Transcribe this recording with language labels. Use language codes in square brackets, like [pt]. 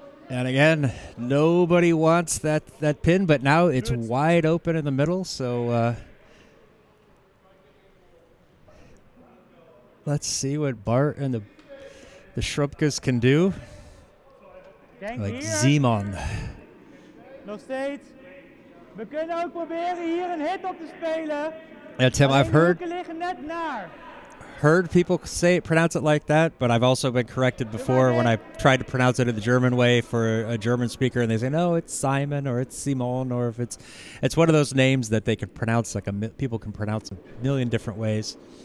[en] And again, nobody wants that pin, but now it's wide open in the middle, so. Let's see what Bart and the Schrobkes can do. Like Zeeman. [nl] Nog steeds. We kunnen ook proberen hier een hit op te spelen. [en] Yeah, Tim, I've heard people say it, pronounce it like that, but I've also been corrected before when I tried to pronounce it in the German way for a German speaker, and they say, no, it's Simon or it's Simon, or if it's one of those names that they could pronounce, like people can pronounce a million different ways.